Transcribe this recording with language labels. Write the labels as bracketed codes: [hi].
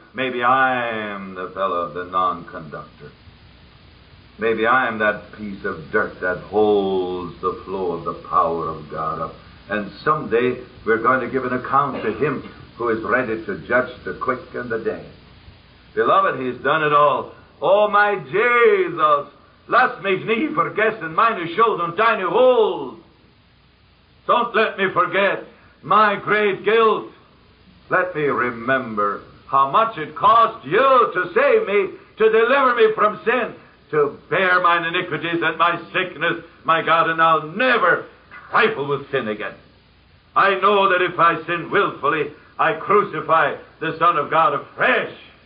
[en] Maybe I am the fellow, the non-conductor. Maybe I am that piece of dirt that holds the flow of the power of God up. And someday we're going to give an account to Him who is ready to judge the quick and the dead. Beloved, He's done it all. Oh, my Jesus, [de] lasst mich nie vergessen meine Schuld und deine Huld. [en] Don't let me forget my great guilt. Let me remember how much it cost you to save me, to deliver me from sin, to bear mine iniquities and my sickness, my God, and I'll never trifle with sin again. I know that if I sin willfully, I crucify the Son of God afresh.